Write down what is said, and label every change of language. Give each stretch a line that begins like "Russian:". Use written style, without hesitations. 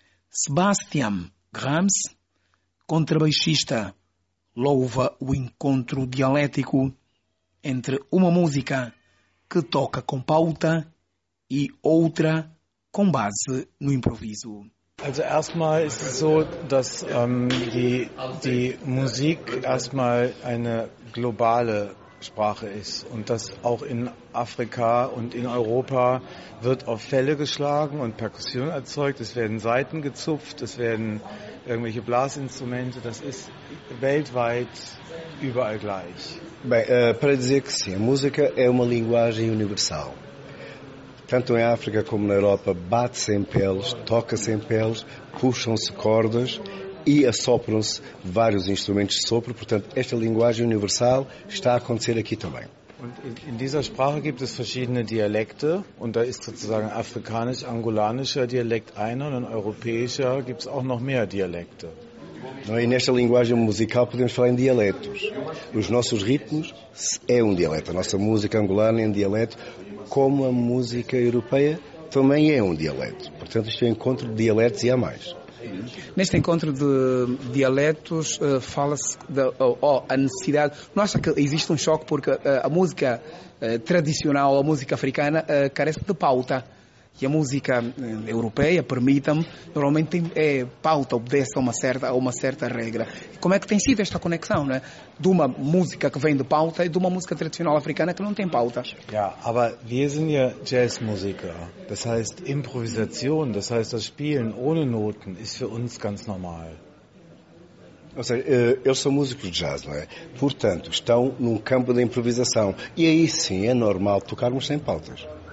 Portuguese: Sebastian Grams, contrabaixista, louva o encontro dialético entre uma música que toca com pauta e outra com base no improviso.
German: Also erstmal ist es so, dass die Musik erstmal eine globale Sprache ist und dass auch in Afrika und in Europa wird auf Felle geschlagen und Perkussion erzeugt, es werden Saiten gezupft, es werden irgendwelche Blasinstrumente, das ist weltweit überall gleich.
Portuguese: Para dizer que sim, a música é uma linguagem universal. Tanto em África como na Europa, bate-se em peles, toca-se em peles, puxam-se cordas e assopram-se vários instrumentos de sopro. Portanto, esta linguagem universal está a acontecer aqui também.
German: In dieser Sprache gibt es verschiedene Dialekte und da ist sozusagen afrikanisch-angolanischer Dialekt einer und ein europäischer gibt es auch noch mehr Dialekte.
Portuguese: E nesta linguagem musical podemos falar em dialetos. Os nossos ritmos é dialeto. A nossa música angolana é dialeto, como a música europeia também é dialeto. Portanto, isto é um encontro de dialetos e há mais. Neste encontro de dialetos, fala-se da a necessidade. Não acha que existe um choque porque a música tradicional, a música africana, carece de pauta? E a música europeia, permita-me, normalmente é pauta, obedece a uma certa regra. Como é que tem sido esta conexão, né? De uma música que vem de pauta e de uma música tradicional africana que não tem pauta?
German: Ja, aber wir sind ja Jazzmusiker. Das heißt, Improvisation, das heißt, das Spielen ohne Noten ist für uns ganz normal.
Portuguese: Ou seja, eles são músicos de jazz, não é? Portanto, estão num campo de improvisação. E aí sim, é normal tocarmos sem pautas.